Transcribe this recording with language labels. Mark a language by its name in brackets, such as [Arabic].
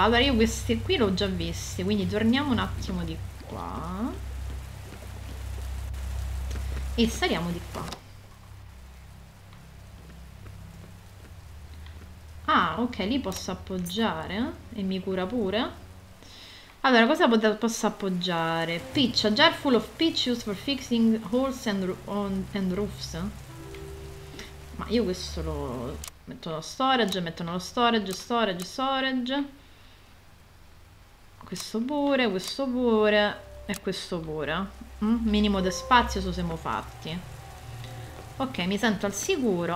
[Italian] Allora, io queste qui l'ho già viste, quindi torniamo un attimo di qua. E saliamo di qua. Ah, ok, lì posso appoggiare e mi cura pure. Allora, cosa posso appoggiare? [English] Pitch, a jar full of pitch used for fixing holes and roofs. [Italian] Ma io questo lo metto nello storage, metto nello storage, storage, storage. Questo pure e questo pure. Minimo di spazio, so siamo fatti. Ok, mi sento al sicuro.